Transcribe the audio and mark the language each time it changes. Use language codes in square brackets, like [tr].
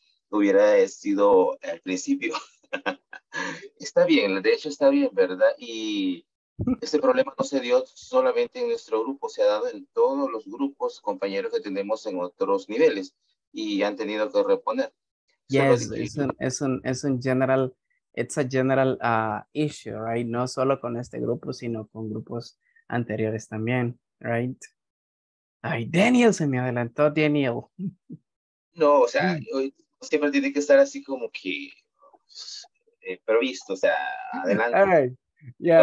[es] Hubiera sido al principio. Está bien, de hecho está bien, ¿verdad? Y este problema no se dio solamente en nuestro grupo, se ha dado en todos los grupos, compañeros que tenemos en otros niveles, y han tenido que reponer. [en] Yes, [es] es un general, [en] it's a general issue, right? [es] No solo con este grupo, sino con grupos anteriores también, [en] right? [es] Ay, Daniel se me adelantó, Daniel. No, o sea, siempre tiene que estar así como que... previsto, o sea, adelante. [en] All right. Yeah,